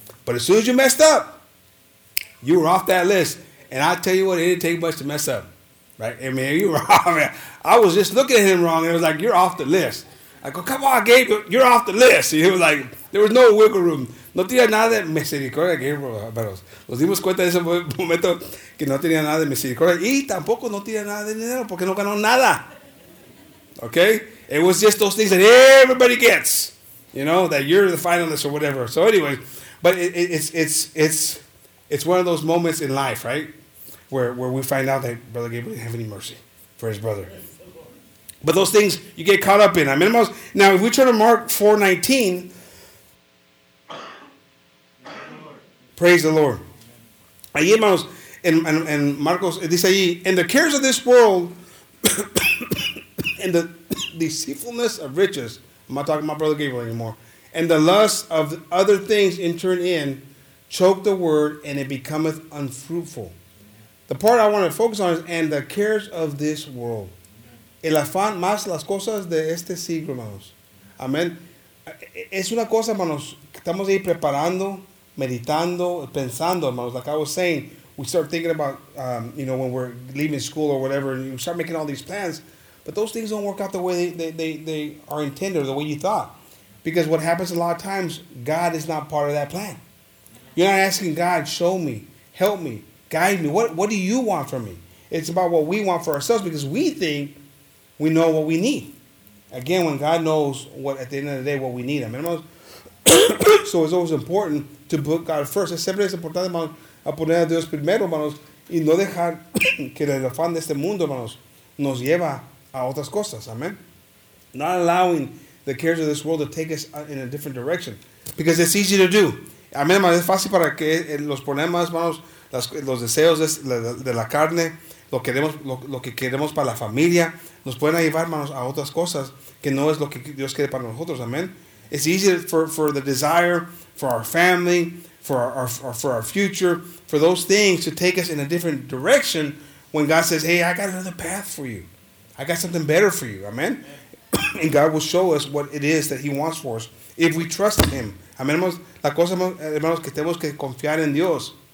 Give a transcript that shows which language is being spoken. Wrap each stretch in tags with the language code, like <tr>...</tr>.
<en>But as soon as you messed up, you were off that list. And I tell you what, it didn't take much to mess up, right? I mean, you were wrong, man. I was just looking at him wrong, and it was like, you're off the list. I go, come on, Gabe, you're off the list. And he was like, there was no wiggle room.</en> <es>No tenía nada de misericordia, Gabriel. Pero nos dimos cuenta en ese momento que no tenía nada de misericordia. Y tampoco no tenía nada de dinero porque no ganó nada.</es> <en>Okay? It was just those things that everybody gets, you know, that you're the finalist or whatever. So anyway, but it's one of those moments in life, right, where we find out that Brother Gabriel didn't have any mercy for his brother. But those things you get caught up in. I mean, now, if we turn to Mark 4:19, praise the Lord.</en> <es>Ahí, hermanos, en Marcos, dice ahí,</es> <en>in the cares of this world, and the deceitfulness of riches, I'm not talking about Brother Gabriel anymore, and the lust of other things entered in, choke the word, and it becometh unfruitful. The part I want to focus on is, and the cares of this world.</en> <es>El afán más las cosas de este siglo, hermanos. Amén. Es una cosa, hermanos, que estamos ahí preparando, meditando, pensando, hermanos,</es> <en>like I was saying. we start thinking about, you know, when we're leaving school or whatever, and you start making all these plans, but those things don't work out the way they are intended or the way you thought. Because what happens a lot of times, God is not part of that plan. You're not asking God, show me, help me, guide me. What do you want from me? It's about what we want for ourselves because we think we know what we need. Again, when God knows what at the end of the day what we need. I mean, so it's always important to put God first.</en> <es>Es siempre importante a poner a Dios primero, hermanos, y no dejar que el afán de este mundo, hermanos, nos lleva a otras cosas.</es> <en>Amen. Not allowing the cares of this world to take us in a different direction. Because it's easy to do.</en> <es>Amen, hermanos. Es fácil para que los problemas, hermanos, los deseos de la carne, lo que queremos para la familia, nos pueden llevar, hermanos, a otras cosas que no es lo que Dios quiere para nosotros.</es> <en>Amen. It's easy for the desire, for our family, for our future, for those things to take us in a different direction when God says, hey, I got another path for you. I got something better for you. Amen. And God will show us what it is that he wants for us if we trust him.</en> <es>Amen, hermanos. La cosa, hermanos, que tenemos que confiar en Dios.</es>